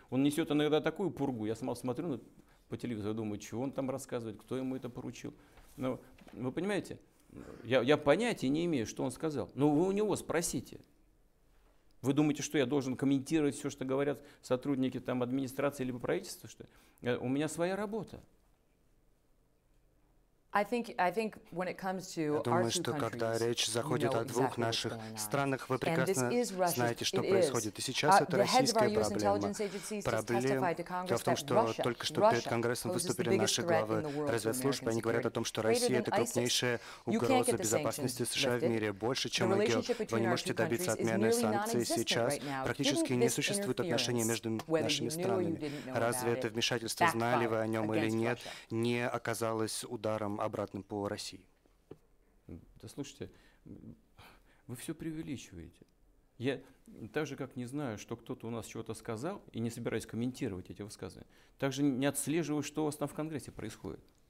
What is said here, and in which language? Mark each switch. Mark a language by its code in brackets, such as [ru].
[ru] Он несет иногда такую пургу. Я сам смотрю по телевизору, думаю, чего он там рассказывает, кто ему это поручил. Но вы понимаете? Я понятия не имею, что он сказал. Но вы у него спросите. Вы думаете, что я должен комментировать все, что говорят сотрудники там администрации или правительства? Что у меня своя работа. [en] I think when it comes to our two countries, you know exactly what's going on. And this is Russia. It is. The heads of our U.S. intelligence agencies testified to Congress that Russia poses the biggest threat in the world to American security. Greater than ISIS. You can't get the sanctions lifted. The relationship between our two countries is nearly non-existent right now. Given this interference, whether you knew or you didn't know about it, back then, practically [ru] не существует отношений между нашими странами. Разве это вмешательство, знали вы о нем или нет, не оказалось ударом обратным по России? Да слушайте, вы все преувеличиваете. Я так же, как не знаю, что кто-то у нас чего-то сказал, и не собираюсь комментировать эти высказывания, так же не отслеживаю, что у вас там в Конгрессе происходит.